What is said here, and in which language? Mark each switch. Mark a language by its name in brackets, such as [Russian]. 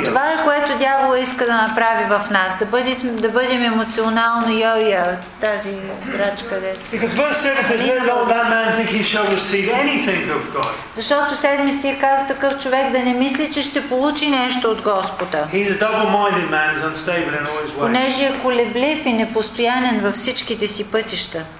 [Bulgarian] И това е, което дявол иска да направи в нас, да бъдем емоционално йо-йо, тази играчка. [English] Because verse 7 says, let not that man think he shall receive anything of God. [Bulgarian] Защото 7 стих казва, такъв човек да не мисли, че ще получи нещо от Господа. [English] He's a double-minded man, he's unstable in all his ways. [Bulgarian] Понеже е колеблив и непостоянен във всичките си пътища.